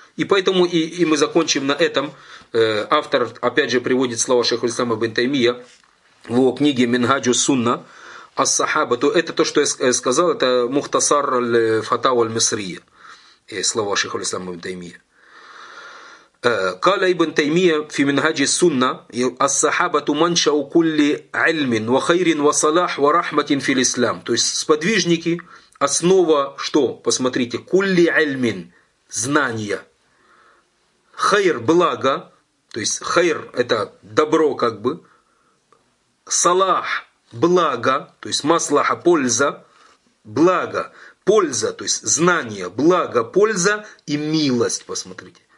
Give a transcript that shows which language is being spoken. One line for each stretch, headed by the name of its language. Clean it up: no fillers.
Russian: И поэтому и мы закончим на этом. Автор опять же приводит слова шейха ислама ибн Таймия в его книге «Минхаджу Сунна ас-Сахаба». То это то, что я сказал, это «Мухтасар аль-Фатава аль-Мисрия». Слова шейха ислама ибн Таймия.
Arabic: قال ابن تيمية في منهج السنة الصحابة منشأ كل علم وخير وصلاح ورحمة في الإسلام.
Russian: То есть сподвижники основа что? Посмотрите, кулли альмин, знания. Хайр, благо, то есть хайр это добро как бы. Салах, благо, то есть маслаха, польза, благо, польза, то есть знание, благо, польза и милость, посмотрите.